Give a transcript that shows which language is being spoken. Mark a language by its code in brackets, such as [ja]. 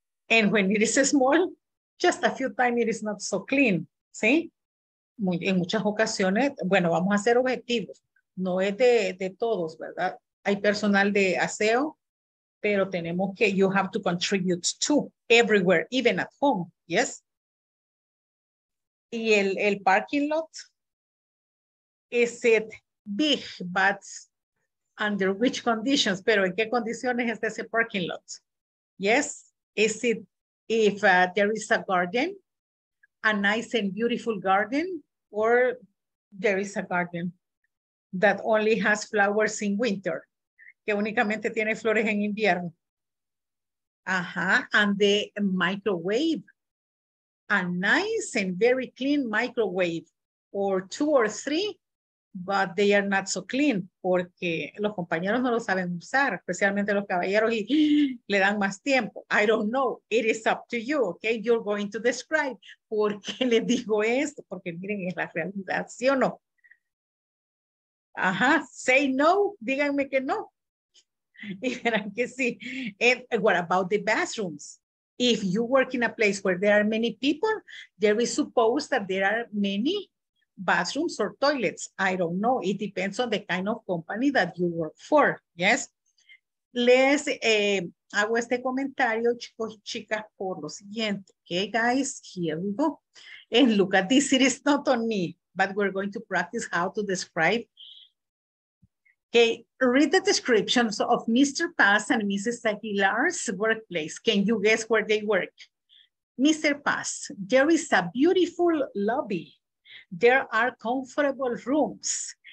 [en] And when it is small, just a few times it is not so clean. [es] ¿Sí? Muy, en muchas ocasiones, bueno, vamos a ser objetivos. No es de todos, ¿verdad? Hay personal de aseo, pero tenemos que, [en] you have to contribute to everywhere, even at home. [es] Yes. [en] Y el parking lot, is it big, but under which conditions? [es] Pero en qué condiciones está ese parking lot? [en] Yes. Is it, if there is a garden, a nice and beautiful garden, or there is a garden that only has flowers in winter, [es] que únicamente tiene flores en invierno? [en] Ajá, and the microwave, a nice and very clean microwave, or two or three, but they are not so clean, [es] porque los compañeros no lo saben usar, especialmente los caballeros, y le dan más tiempo. [en] I don't know, it is up to you, okay? You're going to describe. [es] ¿Por qué le digo esto? Porque miren, es la realidad, ¿sí o no? Ajá, [en] say no, [es] díganme que no. Y verán que sí. [en] And what about the bathrooms? If you work in a place where there are many people, there is supposed that there are many bathrooms or toilets. I don't know. It depends on the kind of company that you work for. Yes. [es] Les hago este comentario, chicos y chicas, por lo siguiente. [en] Okay, guys, here we go. And look at this. It is not on me, but we're going to practice how to describe. Okay, read the descriptions of Mr. Paz and Mrs. Aguilar's workplace. Can you guess where they work? Mr. Paz, there is a beautiful lobby. There are comfortable rooms.